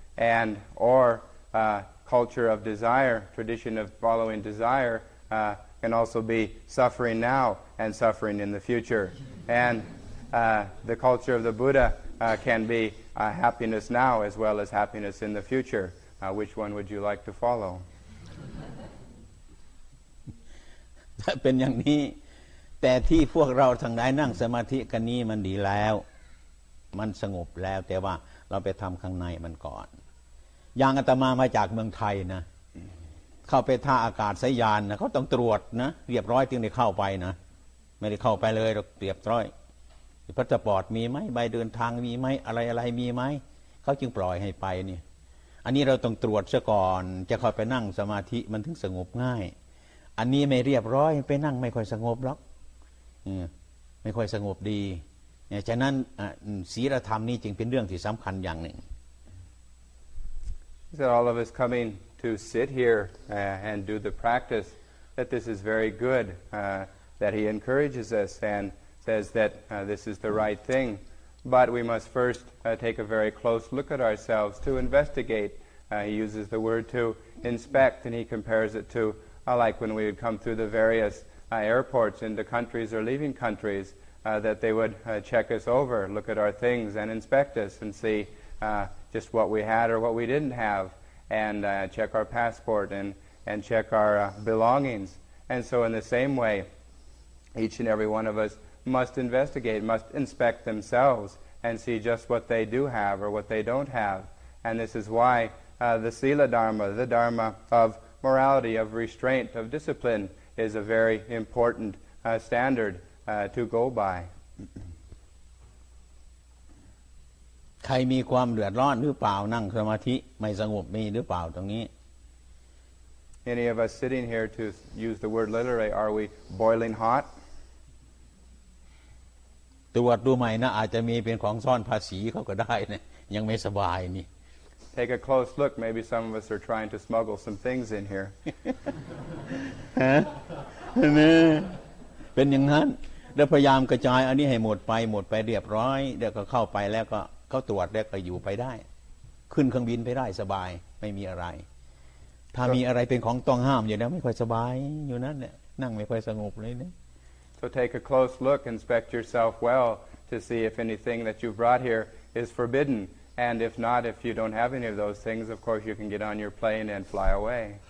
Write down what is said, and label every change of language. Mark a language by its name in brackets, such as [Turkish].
[English] And or culture of desire, tradition of following desire, can also be suffering now and suffering in the future. And the culture of the Buddha can be happiness now as well as happiness in the future. Which one would you like to follow? [Thai] ถ้าเป็นอย่างนี้แต่ที่พวกเราทั้งหลายนั่งสมาธิกันนี้มันดีแล้วมันสงบแล้วแต่ว่าเราไปทำข้างในมันก่อนอย่างอาตมามาจากเมืองไทยนะ เข้าไปท่าอากาศยานนะเขาต้องตรวจนะเรียบร้อยถึงได้เข้าไปนะไม่ได้เข้าไปเลยเรียบร้อยพาสปอร์ตมีไหมใบเดินทางมีไหมอะไรอะไรมีไหมเขาจึงปล่อยให้ไปนี่อันนี้เราต้องตรวจซะก่อนจะค่อยไปนั่งสมาธิมันถึงสงบง่ายอันนี้ไม่เรียบร้อยไปนั่งไม่ค่อยสงบหรอกไม่ค่อยสงบดีเนี่ยฉะนั้นศีลธรรมนี่จึงเป็นเรื่องที่สำคัญอย่างหนึ่ง [English] Is that all of us coming to sit here and do the practice that this is very good that he encourages us andsays that this is the right thing. But we must first take a very close look at ourselves to investigate. He uses the word to inspect, and he compares it to like when we would come through the various airports into countries or leaving countries, that they would check us over, look at our things and inspect us and see just what we had or what we didn't have, and check our passport and check our belongings. And so in the same way, each and every one of usmust investigate, must inspect themselves and see just what they do have or what they don't have. And this is why the Sila Dharma, the Dharma of morality, of restraint, of discipline, is a very important standard to go by. [Thai] ใครมีความเดือดร้อนหรือเปล่านั่งสมาธิไม่สงบมีหรือเปล่าตรงนี้ [English] Any of us sitting here, to use the word literally, are we boiling hot? [Thai] ตรวจดูใหม่นะอาจจะมีเป็นของซ่อนภาษีเขาก็ได้นะยังไม่สบายนี่ [English] Take a close look. Maybe some of us are trying to smuggle some things in here. [Thai] ฮะเป็นอย่างนั้นแล้วพยายามกระจายอันนี้ให้หมดไปเรียบร้อยเดี๋ยวก็เข้าไปแล้วก็เขาตรวจแล้วก็อยู่ไปได้ขึ้นเครื่องบินไปได้สบายไม่มีอะไรถ้ามีอะไรเป็นของต้องห้ามอยู่แล้วไม่ค่อยสบายอยู่นั่นเนี่ยนั่งไม่ค่อยสงบเลยนะ [English] So take a close look, inspect yourself well to see if anything that you've brought here is forbidden. And if not, if you don't have any of those things, of course you can get on your plane and fly away.